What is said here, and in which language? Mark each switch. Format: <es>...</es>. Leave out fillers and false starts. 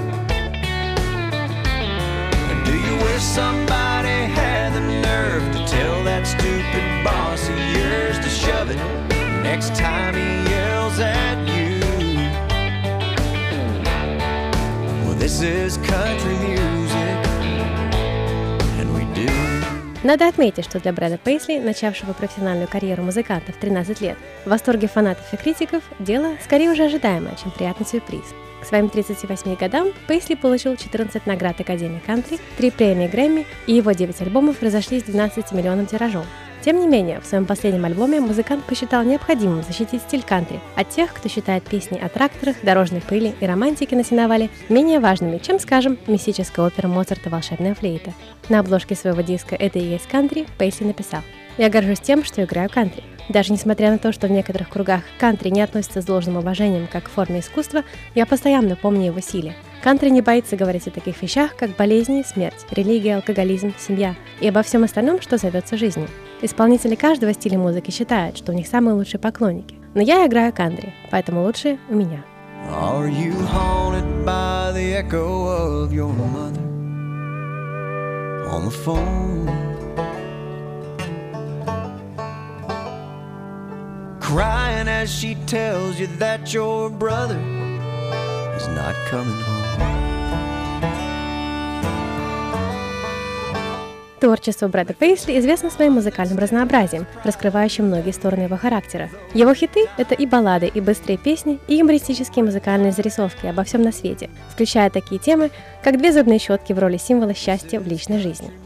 <en>And do you wish somebody had the nerve to tell that stupid boss of yours to shove it next time he yells at you? Well, this is country music.</en> <ru>Надо отметить, что для Брэда Пейсли, начавшего профессиональную карьеру музыканта в 13 лет, в восторге фанатов и критиков, дело скорее уже ожидаемое, чем приятный сюрприз. К своим 38 годам Пейсли получил 14 наград Академии Кантри, 3 премии Грэмми, и его 9 альбомов разошлись 12-миллионным тиражом. Тем не менее, в своем последнем альбоме музыкант посчитал необходимым защитить стиль кантри от тех, кто считает песни о тракторах, дорожной пыли и романтике на сеновале менее важными, чем, скажем, мистическая опера Моцарта «Волшебная флейта». На обложке своего диска «Это и есть кантри» Пейсли написал: «Я горжусь тем, что играю кантри. Даже несмотря на то, что в некоторых кругах кантри не относится с должным уважением как к форме искусства, я постоянно помню его силе. Кантри не боится говорить о таких вещах, как болезни, смерть, религия, алкоголизм, семья и обо всем остальном, что зовется жизнью. Исполнители каждого стиля музыки считают, что у них самые лучшие поклонники. Но я играю кантри, поэтому лучшие у меня».</ru> <en>Are you haunted by the echo of your mother on the phone? Crying as she tells you that your brother is not coming home.</en> <ru>Творчество Брэда Пейсли известно своим музыкальным разнообразием, раскрывающим многие стороны его характера. Его хиты — это и баллады, и быстрые песни, и юмористические музыкальные зарисовки обо всем на свете, включая такие темы, как две зубные щетки в роли символа счастья в личной жизни.</ru>